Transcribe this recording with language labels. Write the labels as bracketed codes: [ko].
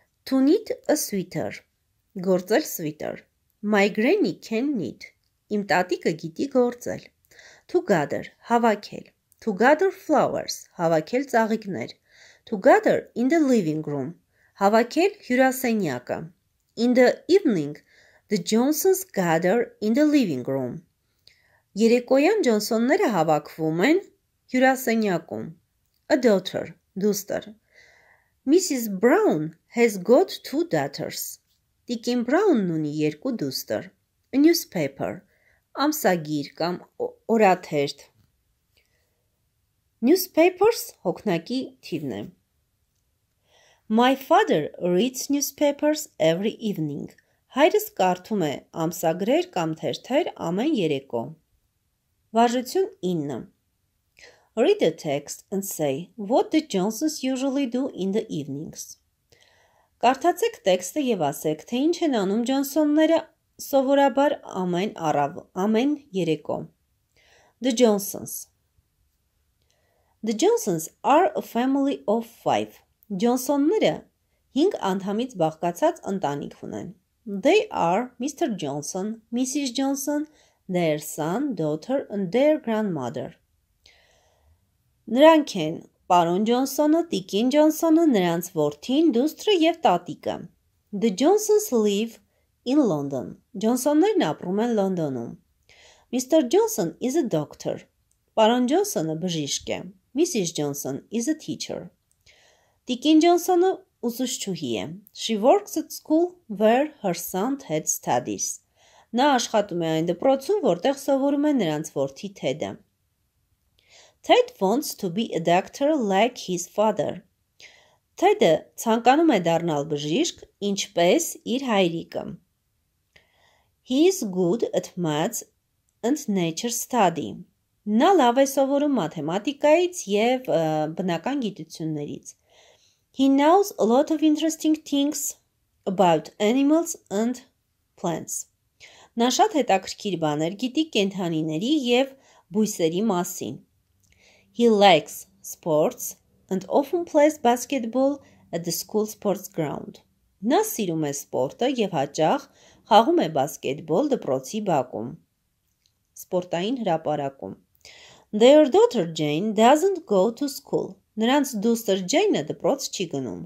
[en] To knit a sweater. Գործել sweater. My granny can knit. [hy] Իմ տատիկը գիտի գործել. [en] To gather. [hy] Հավաքել. [en] To gather flowers. [hy] Հավաքել ծաղիկներ. [en] To gather in the living room. [hy] Հավաքել հյուրասենյակը. [en] In the evening, the Johnsons gather in the living room. [hy] Երեկոյան Johnsonները հավաքվում են հյուրասենյակում. [en] A daughter, դուստր. Mrs. Brown has got two daughters. [hy] Տիկին Brown-ն ունի երկու դուստր. [en] A newspaper, [hy] ամսագիր կամ օրաթերթ. [en] Newspapers [hy] հոգնակի թիվն է. [en] My father reads newspapers every evening. [hy] Հայրս կարդում է ամսագրեր կամ թերթեր ամեն երեկո. Վարժություն 9. [en] Read the text and say what the Johnsons usually do in the evenings. [hy] Կարդացեք տեքստը և ասեք, թե ինչ են անում Johnsonները սովորաբար ամեն առավ, ամեն երեկո. [en] The Johnsons. The Johnsons are a family of five. [hy] Johnsonները 5 անդամից բաղկացած ընտանիք ունեն. [en] They are Mr. Johnson, Mrs. Johnson, their son, daughter and their grandmother. [hy] Նրանք են պարոն Johnsonը, տիկին Johnsonը, նրանց որդին, դուստրը և տատիկը. [en] The Johnsons live in London. [hy] Johnsonներն ապրում են Լոնդոնում. [en] Mr. Johnson is a doctor. [hy] Պարոն Johnsonը բժիշկ է. [en] Mrs. Johnson is a teacher. [hy] Տիկին Johnsonը ուսուցչուհի է. [en] She works at school where her son had studies. [hy] Նա աշխատում է այն դպրոցում, որտեղ սովորում է նրանց որդի Թեդը. [en] Ted wants to be a doctor like his father. [hy] Թեդը ցանկանում է դառնալ բժիշկ, ինչպես իր հայրիկը. [en] He is good at maths and nature study. [hy] Նա լավ է սովորում մաթեմատիկայից և բնական գիտություններից. [en] He knows a lot of interesting things about animals and plants. [hy] Նա շատ հետաքրքիր բաներ գիտի կենդանիների և բույսերի մասին. [en] He likes sports and often plays basketball at the school sports ground. [hy] Նա սիրում է սպորտը և հաճախ խաղում է բասկետբոլ դպրոցի բակում, սպորտային հրապարակում. [en] Their daughter Jane doesn't go to school. [hy] Նրանց դուստր Jane-ը դպրոց չի գնում.